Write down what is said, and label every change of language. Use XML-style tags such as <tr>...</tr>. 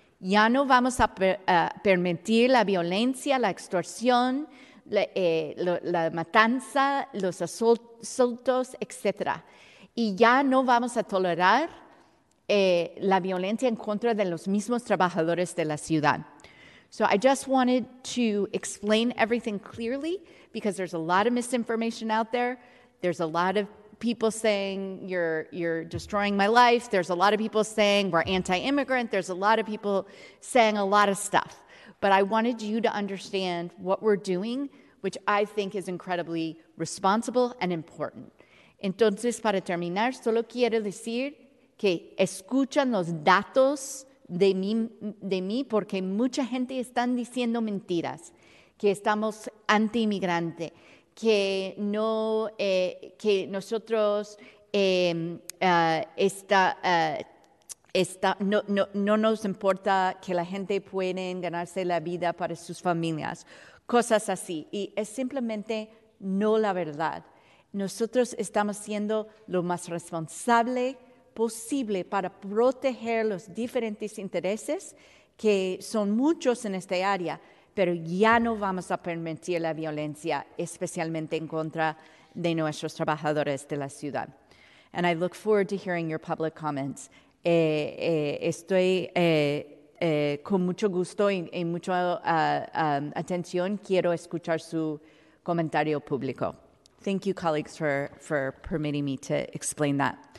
<es>Ya no vamos a permitir la violencia, la extorsión, la matanza, los asaltos, etc. Y ya no vamos a tolerar la violencia en contra de los mismos trabajadores de la ciudad.</es> <en>So I just wanted to explain everything clearly because there's a lot of misinformation out there. There's a lot of people saying you're destroying my life. There's a lot of people saying we're anti-immigrant. There's a lot of people saying a lot of stuff. But I wanted you to understand what we're doing, which I think is incredibly responsible and important.</en> <es>Entonces, para terminar, solo quiero decir que escuchan los datos de mí porque mucha gente están diciendo mentiras, que estamos anti-inmigrante, que no nos importa que la gente pueda ganarse la vida para sus familias, cosas así. Y es simplemente no la verdad. Nosotros estamos siendo lo más responsable posible para proteger los diferentes intereses, que son muchos en esta área, pero ya no vamos a permitir la violencia, especialmente en contra de nuestros trabajadores de la ciudad.</es> <en>And I look forward to hearing your public comments.</en> <es>Estoy con mucho gusto y mucha atención. Quiero escuchar su comentario público.</es> <en>Thank you, colleagues, for permitting me to explain that.</en>